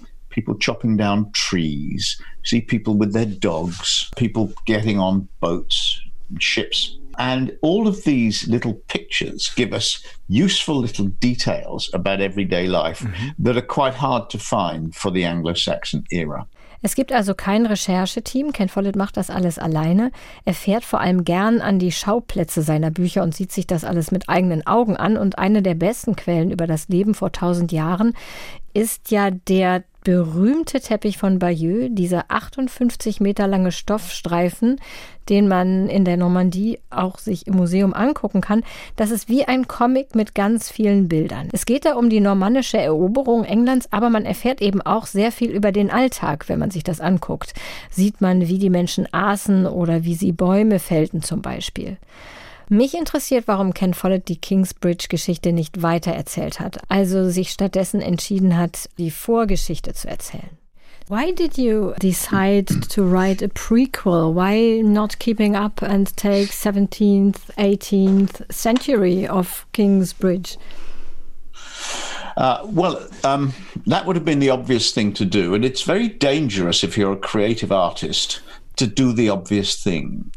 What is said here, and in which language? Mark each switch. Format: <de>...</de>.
<en>people chopping down trees, see people with their dogs, people getting on boats, ships. And all of these little pictures give us useful little details about everyday life that are quite hard to find for the Anglo-Saxon era.</en> <de>Es gibt also kein Rechercheteam. Ken Follett macht das alles alleine. Er fährt vor allem gern an die Schauplätze seiner Bücher und sieht sich das alles mit eigenen Augen an. Und eine der besten Quellen über das Leben vor 1000 Jahren ist ja der berühmte Teppich von Bayeux, dieser 58 Meter lange Stoffstreifen, den man in der Normandie auch sich im Museum angucken kann. Das ist wie ein Comic mit ganz vielen Bildern. Es geht da um die normannische Eroberung Englands, aber man erfährt eben auch sehr viel über den Alltag, wenn man sich das anguckt. Sieht man, wie die Menschen aßen oder wie sie Bäume fällten zum Beispiel. Mich interessiert, warum Ken Follett die Kingsbridge-Geschichte nicht weitererzählt hat, also sich stattdessen entschieden hat, die Vorgeschichte zu erzählen.</de> <en>Why did you decide to write a prequel? Why not keeping up and take 17th, 18th century of Kingsbridge? Well, that would have been the obvious thing to do, and it's very dangerous if you're a creative artist to do the obvious thing.</en>